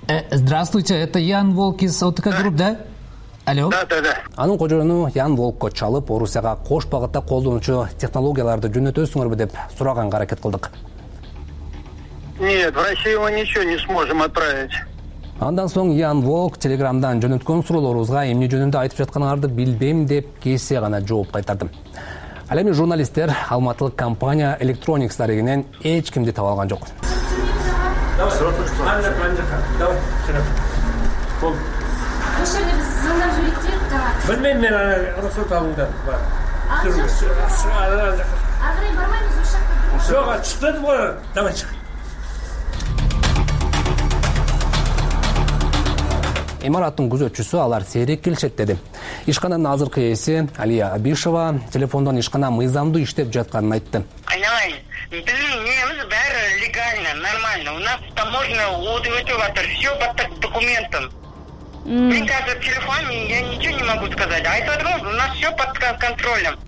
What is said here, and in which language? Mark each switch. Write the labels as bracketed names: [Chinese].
[Russian] Здравствуйте, это Ян Волк из ОТК Групп, да? Алло. Да. [Kyrgyz] Анын кожоюну Ян Волкко чалып, Орусияга кош багытта колдонуучу технологияларды жөнөтөсүңөрбү деп сураганга аракет кылдык. [Russian] Нет, в Россию мы ничего не сможем отправить. [Kyrgyz] Андан соң Ян Волк Телеграмдан жөнөткөн суроолорубузга эмне жөнүндө айтып жатканыңарды билбейм деп кесе гана жооп кайтардым. Ал эми журналисттер алматылык компания Electronics тарегинен эч кимди таба алган жок. Билмейм мен ана уруксат алыңдар. Азыр бармайбыз ошо жакка. Жок, чыктыңыз го. [Russian] Давай [Kyrgyz] чык. Имараттын күзөтчүсү алар сейрек келишет деди. Ишкананын азыркы ээси Алия Абишева телефондон ишкана мыйзамдуу иштеп жатканын айтты. Айналайын, биздин нэмибиз баары легально, нормально. [Russian] У нас таможня [Kyrgyz] өтүп жатыр, [Russian] всё по документам. [Kyrgyz] Мен азыр телефон, [Russian] я ничего не могу сказать. [Kyrgyz] Айтып отурмун, [Russian] у нас всё под контролем.